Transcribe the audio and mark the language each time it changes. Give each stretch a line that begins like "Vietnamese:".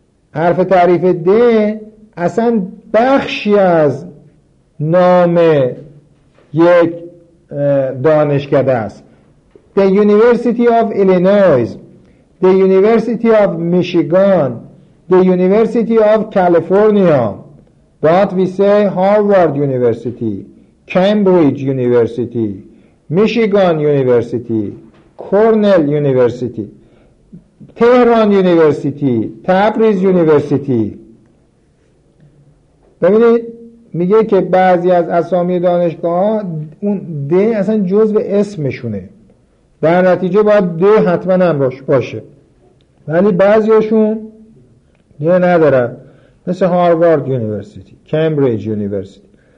Persian: حرف تعریف ده اصلا بخشی از نام یک دانشکده است.
English: The University of Illinois, The University of Michigan, The University of California, but we say Harvard University, Cambridge University, Michigan University, Cornell University, Tehran University, Tabriz University.
Persian: ببینید میگه که بعضی از اسامی دانشگاه اون ده اصلا جزء اسمشونه، در نتیجه باید ده حتما هم باشه، ولی بعضی هاشون ده ندارن، مثل هاروارد یونیورسیتی، کمبریج یونیورسیتی.